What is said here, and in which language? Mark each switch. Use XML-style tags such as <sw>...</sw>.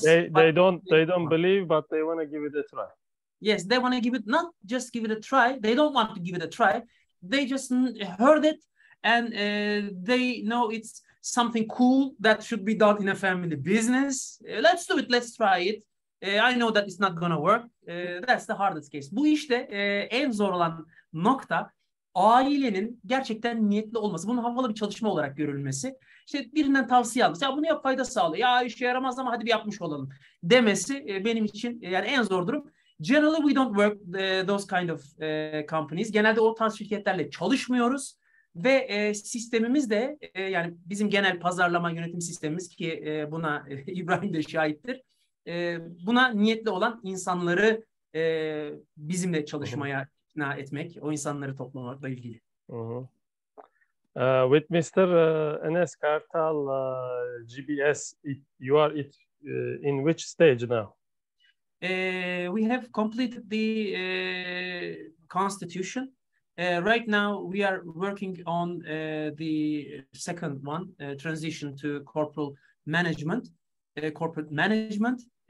<en>They don't believe, but they want to give it a try. Yes, they want to give it, not just give it a try. They don't want to give it a try. they just heard it and they know it's something cool that should be done in a family business. Let's do it, let's try it. I know that it's not gonna work. That's the hardest case.</en> <tr>Bu işte en zor olan nokta ailenin gerçekten niyetli olması. Bunun havalı bir çalışma olarak görülmesi. İşte birinden tavsiye alması. Ya bunu yap, fayda sağlıyor. Ya işe yaramaz ama hadi bir yapmış olalım demesi benim için yani en zor durum.</tr> <en>Generally we don't work those kind of companies.</en> <tr>Genelde o tarz şirketlerle çalışmıyoruz. Ve sistemimiz de yani bizim genel pazarlama yönetim sistemimiz ki buna İbrahim de şahittir. Buna niyetli olan insanları bizimle çalışmaya ikna etmek, o insanları toplamakla ilgili.</tr> <en>With Mr. Enes Kartal, GBS, you are it in which stage now? We have completed the constitution. Right now, we are working on the second one, transition to corporate management.</en>